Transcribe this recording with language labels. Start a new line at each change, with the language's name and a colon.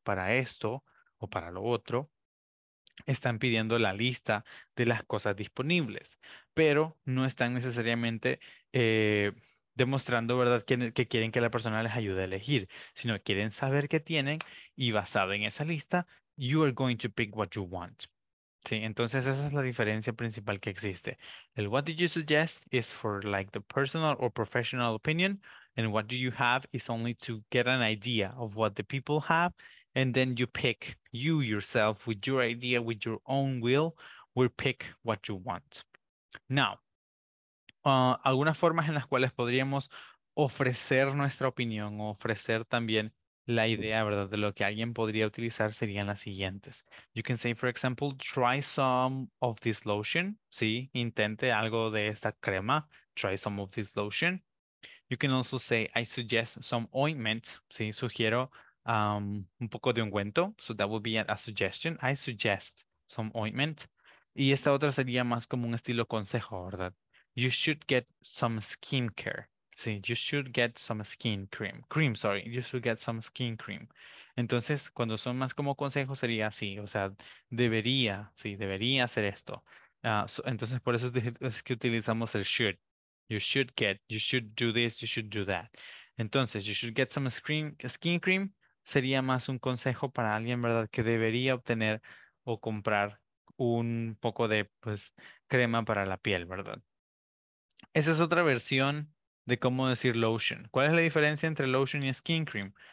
Spanish: Para esto o para lo otro, están pidiendo la lista de las cosas disponibles, pero no están necesariamente demostrando, ¿verdad?, que quieren que la persona les ayude a elegir, sino quieren saber qué tienen y basado en esa lista,
English: you are going to pick what you want.
Spanish: ¿Sí? Entonces esa es la diferencia principal que existe.
English: El what did you suggest is for like the personal or professional opinion, and what do you have is only to get an idea of what the people have, and then you pick you yourself with your idea, with your own will pick what you want.
Spanish: Now, algunas formas en las cuales podríamos ofrecer nuestra opinión o ofrecer también la idea, ¿verdad?, de lo que alguien podría utilizar serían las siguientes.
English: You can say, for example, try some of this lotion.
Spanish: Sí, intente algo de esta crema.
English: Try some of this lotion. You can also say, I suggest some ointment.
Spanish: Sí, sugiero un poco de ungüento.
English: So that would be a suggestion. I suggest some ointment.
Spanish: Y esta otra sería más como un estilo consejo, ¿verdad?
English: You should get some skin care. Sí, you should get some skin cream. Cream, sorry. You should get some skin cream.
Spanish: Entonces, cuando son más como consejos, sería así. O sea, debería, sí, debería hacer esto. Entonces, por eso es que utilizamos el should.
English: You should get, you should do this, you should do that. Entonces, you should get some skin cream.
Spanish: Sería más un consejo para alguien, ¿verdad?, que debería obtener o comprar un poco de, pues, crema para la piel, ¿verdad? Esa es otra versión de cómo decir lotion. ¿Cuál es la diferencia entre lotion y skin cream?